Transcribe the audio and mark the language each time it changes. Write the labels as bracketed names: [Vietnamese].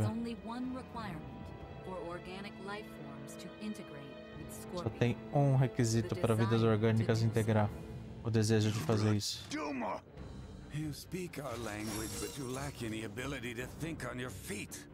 [English] There is only one requirement for organic life forms to integrate with Scorpion. [Portuguese] Só tem um requisito para vidas orgânicas integrar. O desejo de fazer isso. [English] Duma! You speak our language, but you lack any ability to think on your feet.